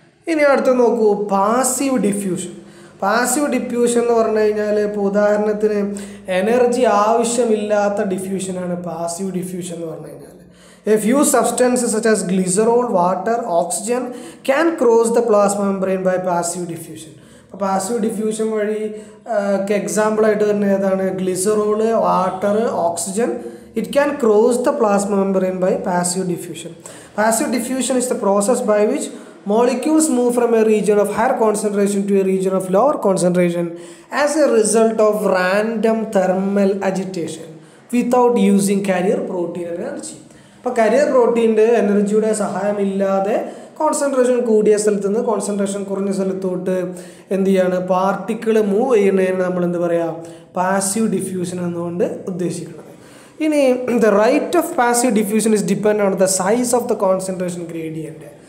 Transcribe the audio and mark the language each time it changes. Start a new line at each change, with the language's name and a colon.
Malayalam: ഇനി അടുത്ത് നോക്കൂ, പാസീവ് ഡിഫ്യൂഷൻ. പാസീവ് ഡിഫ്യൂഷൻ എന്ന് പറഞ്ഞു കഴിഞ്ഞാൽ, ഇപ്പോൾ ഉദാഹരണത്തിന് എനർജി ആവശ്യമില്ലാത്ത ഡിഫ്യൂഷനാണ് പാസീവ് ഡിഫ്യൂഷൻ എന്ന് പറഞ്ഞു കഴിഞ്ഞാൽ.
English: A few substances such as glycerol, water, oxygen can cross the plasma membrane by passive diffusion.
Malayalam: അപ്പോൾ പാസീവ് ഡിഫ്യൂഷൻ വഴി എക്സാമ്പിളായിട്ട് തന്നെ ഏതാണ്, glycerol, water, oxygen.
English: It can cross the plasma membrane by passive diffusion. Passive diffusion is the process by which molecules move from a region of higher concentration to a region of lower concentration as a result of random thermal agitation without using carrier protein energy.
Malayalam: അപ്പോൾ career പ്രോട്ടീൻ്റെ എനർജിയുടെ സഹായമില്ലാതെ concentration കൂടിയ സ്ഥലത്ത് നിന്ന് concentration കുറഞ്ഞ സ്ഥലത്തോട്ട് എന്ത് ചെയ്യാണ്, പാർട്ടിക്കിൾ മൂവ് ചെയ്യുന്നതിന് നമ്മൾ എന്ത് പറയുക, പാസീവ് ഡിഫ്യൂഷൻ എന്നുകൊണ്ട് ഉദ്ദേശിക്കുന്നത്.
English: ഇനി the rate of passive diffusion is depend on the size of the concentration gradient.